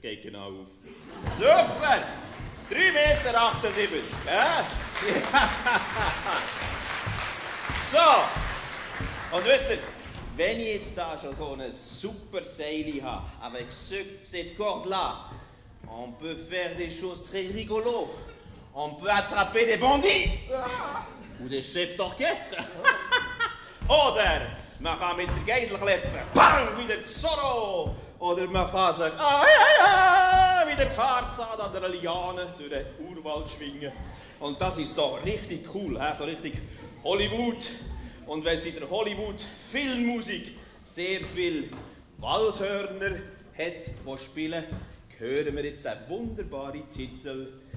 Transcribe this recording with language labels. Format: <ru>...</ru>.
<de>Geht genau auf. Super! 3,78 Meter, hä? So! Und wisst ihr, wenn ich jetzt da schon so eine super Seile habe, aber ich sehe cette corde-là, on peut faire des choses très rigolo.</de> <fr>On peut attraper des bandits! Ah. Ou des chefs d'orchestre! Ah.</fr> <de>Oder, man kann mit der Geisel kleppen! Bang! Wie der Zorro! Oder man kann sagen, ah, ja, ja, wie der Tarzan an der Liane durch den Urwald schwingen. Und das ist so richtig cool, so richtig Hollywood. Und wenn sie in der Hollywood-Filmmusik sehr viel Waldhörner hat, die spielen, hören wir jetzt den wunderbaren Titel.</de>